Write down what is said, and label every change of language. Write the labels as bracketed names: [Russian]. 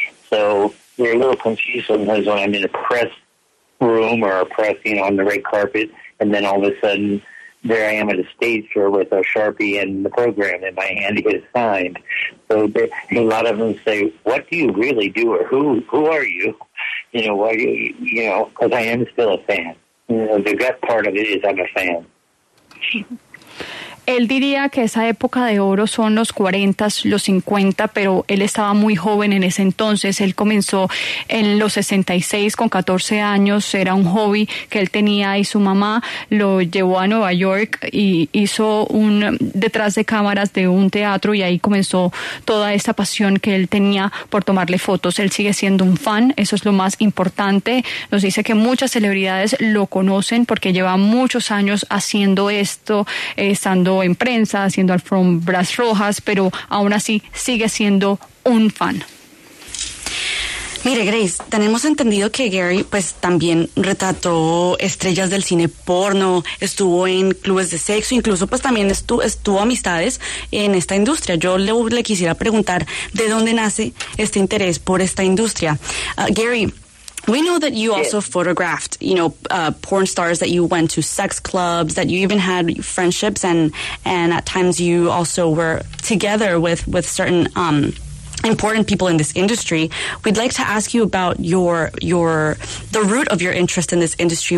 [English] So they're a little confused sometimes when I'm in a press room or a press, you know, on the red carpet, and then all of a sudden there I am at a stage door with a Sharpie and the program in my hand is signed. So a lot of them say, what do you really do, or who are you, you know, why, you know, because I am still a fan, you know. The gut part of it is I'm a fan. [Spanish] Él diría que esa época de oro son los 40, los 50, pero él estaba muy joven en ese entonces. Él comenzó en los 66 con 14 años. Era un hobby que él tenía y su mamá lo llevó a Nueva York y hizo un detrás de cámaras de un teatro, y ahí comenzó toda esta pasión que él tenía por tomarle fotos. Él sigue siendo un fan, eso es lo más importante. Nos dice que muchas celebridades lo conocen porque lleva muchos años haciendo esto, estando en prensa, haciendo alfombras rojas, pero aún así sigue siendo un fan. Mire, Grace, tenemos entendido que Gary pues también retrató estrellas del cine porno, estuvo en clubes de sexo, incluso pues también estuvo amistades en esta industria. Yo le quisiera preguntar, ¿de dónde nace este interés por esta industria? [English] Gary, we know that you also photographed, you know, porn stars, that you went to sex clubs, that you even had friendships, and at times you also were together with certain important people in this industry. We'd like to ask you about the root of your interest in this industry.